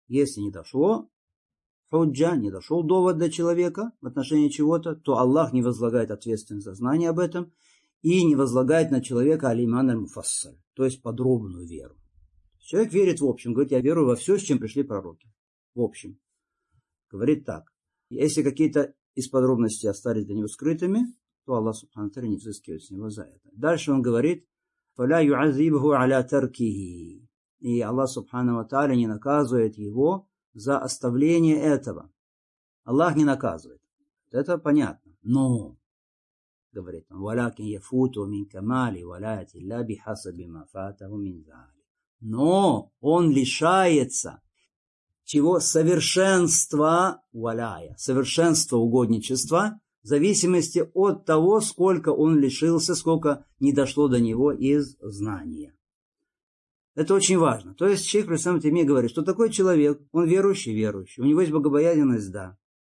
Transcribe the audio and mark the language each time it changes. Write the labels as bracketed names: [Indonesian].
[Russian] Если не дошло худжа, не дошел довод для человека в отношении чего-то, то Аллах не возлагает ответственность за знание об этом и не возлагает на человека аль-иман аль-муфассаль, то есть подробную веру. Человек верит в общем, говорит, я верую во все, с чем пришли пророки. В общем. Говорит так. Если какие-то из подробностей остались для него скрытыми, то Аллах Субхану Тааля не взыскивает с него за это. Дальше он говорит, [Arabic] فَلَا يُعَذِّبْهُ عَلَى تَرْكِهِ. [Russian] И Аллах Субхану ва Тааля не наказывает его за оставление этого. Аллах не наказывает. Это понятно. Но, говорит он, [Arabic] وَلَكِنْ يَفُوتُ مِنْ كَمَالِ وَلَاتِ اللَّا بِحَسَبِ مَا فَاتَهُ مِنْ ذَالِ. [Russian] Но он лишается чего? Совершенства валяя, совершенства угодничества, в зависимости от того, сколько он лишился, сколько не дошло до него из знания. Это очень важно. То есть человек при самом деле говорит, что такой человек, он верующий, верующий, у него есть богобоязненность, да.